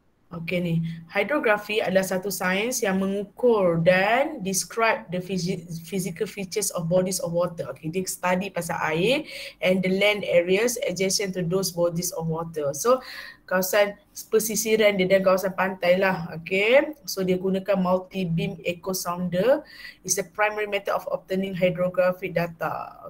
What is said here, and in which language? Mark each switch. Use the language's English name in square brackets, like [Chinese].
[Malay] Okay ni, hidrografi adalah satu sains yang mengukur dan [English] describe the physical features of bodies of water. Okay, dia study [Malay] pasal air [English] and the land areas adjacent to those bodies of water. [Malay] So, kawasan pesisiran dia dan kawasan pantai lah. Okay, so dia gunakan multi-beam echo sounder. [English] It's the primary method of obtaining hydrographic data.